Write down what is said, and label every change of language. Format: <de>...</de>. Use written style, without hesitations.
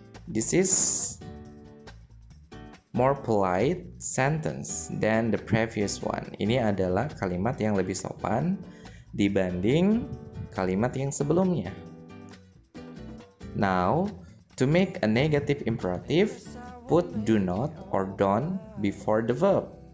<en>This is more polite sentence than the previous one.</en> <id>Ini adalah kalimat yang lebih sopan dibanding kalimat yang sebelumnya.</id> <en>Now, to make a negative imperative, put do not or don't before the verb.</en>